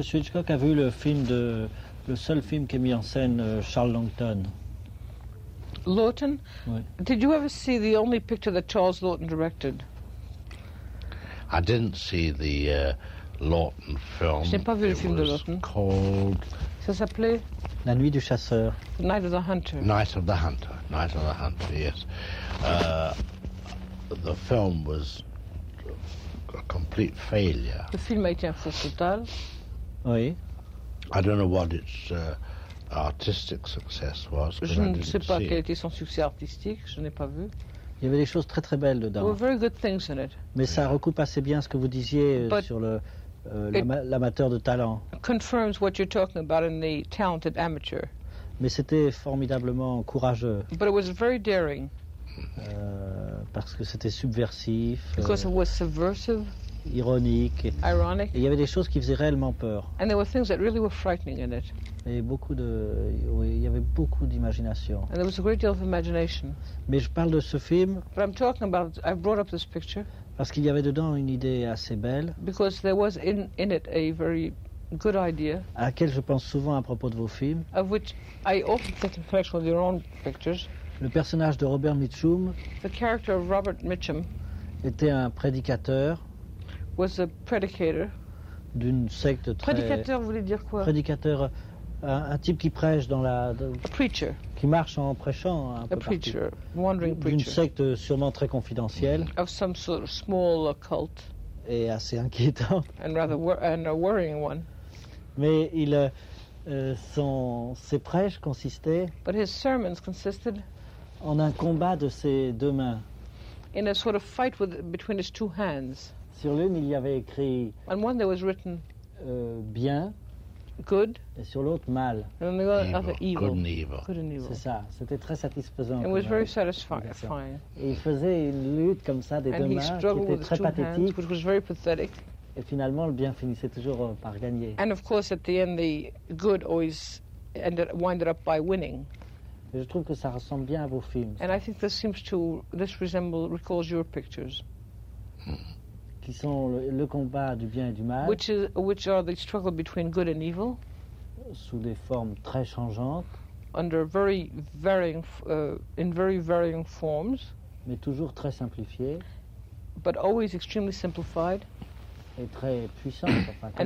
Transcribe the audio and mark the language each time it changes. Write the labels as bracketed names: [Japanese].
[French] Hitchcock a vu le film de le seul film qui a mis en scène Charles Laughton? Laughton? Oui. [English] Did you ever see the only picture that Charles Laughton directed? I didn't see the Laughton film. [French] Je n'ai pas vu le film de Laughton. Called... Ça s'appelait La nuit du chasseur. [English] Night of the Hunter. Night of the Hunter. Night of the Hunter. Yes. The film was a complete failure. [French] Le film a été un four total. Oui. [English] I don't know what its artistic success was. [French] Je ne sais pas quel était son succès artistique. Je n'ai pas vu. Il y avait des choses très très belles dedans. [English] There were very good things in it. [French] Mais ça recoupe assez bien ce que vous disiez sur le l'amateur de talent. [English] Confirms what you're talking about in the talented amateur. [French] Mais c'était formidablement courageux. [English] But it was very daring. [French] Parce que c'était subversif, [English] because it was subversive, [French] ironique. [English] Ironic. [French] Et il y avait des choses qui faisaient réellement peur. [English] And there were things that really were frightening in it. [French] Et beaucoup de, il y avait beaucoup d'imagination. [English] And there was a great deal of imagination. [French] Mais je parle de ce film. [English] But I'm talking about, I brought up this picture. [French] Parce qu'il y avait dedans une idée assez belle. [English] Because there was in it a very good idea. [French] À laquelle je pense souvent à propos de vos films. [English] Of which I often think in connection with your own pictures. [French] Le personnage de Robert Mitchum, [English] the character of Robert Mitchum [French] était un prédicateur [English] was a predicator. [French] D'une secte très... Prédicateur, vous voulez dire quoi? Prédicateur, un type qui prêche dans la... [English] A preacher. [French] Qui marche en prêchant un [English] a [French] peu [English] preacher, [French] partout. [English] Wandering preacher. [French] D'une secte sûrement très confidentielle. [English] Of some sort of small cult. [French] Et assez inquiétant. [English] And rather and a worrying one. [French] Mais il, ses prêches consistaient [English] But his sermons consisted [French] en un combat de ses deux mains. [English] In a sort of fight with, between his two hands. [French] Sur l'une, il y avait écrit [English] On one there was written [French] bien [English] good [French] et sur l'autre mal. [English] And the other evil. Good and evil. Good and evil. [French] C'est ça, c'était très satisfaisant. [English] It was very satisfying. [French] Et il faisait une lutte comme ça des [English] and [French] deux mains qui était très pathétique. [English] Hands, which was very pathetic. [French] Et finalement, le bien finissait toujours par gagner. [English] And of course, at the end, the good always ended, winded up by winning. [French] Et je trouve que ça ressemble bien à vos films. [English] And I think this seems to this resemble recalls your pictures. [French] Qui sont le combat du bien et du mal. [English] Which are the struggle between good and evil. [French] Sous des formes très changeantes. [English] Under very varying in very varying forms. [French] Mais toujours très simplifiées. [English] But always extremely simplified. [French] Et très puissante, enfin, comme